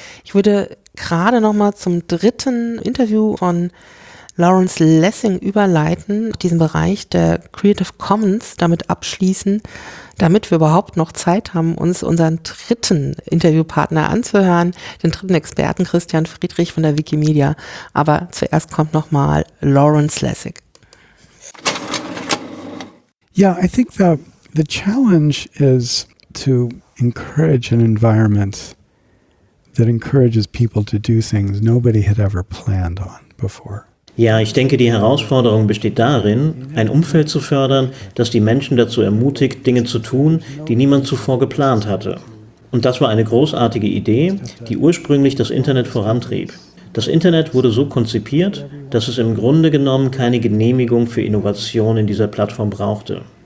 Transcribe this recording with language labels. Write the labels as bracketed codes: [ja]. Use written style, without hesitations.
[de] Ich würde gerade noch mal zum dritten Interview von Lawrence Lessig überleiten, diesen Bereich der Creative Commons damit abschließen, damit wir überhaupt noch Zeit haben, uns unseren dritten Interviewpartner anzuhören, den dritten Experten Christian Friedrich von der Wikimedia. Aber zuerst kommt noch mal Lawrence Lessig. [en] Yeah, I think the challenge is to encourage an environment that encourages people to do things nobody had ever planned on before. [de] Ja, ich denke, die Herausforderung besteht darin, ein Umfeld zu fördern, das die Menschen dazu ermutigt, Dinge zu tun, die niemand zuvor geplant hatte. Und das war eine großartige Idee, die ursprünglich das Internet vorantrieb. Das Internet wurde so konzipiert, dass es im Grunde genommen keine Genehmigung für Innovation in dieser Plattform brauchte.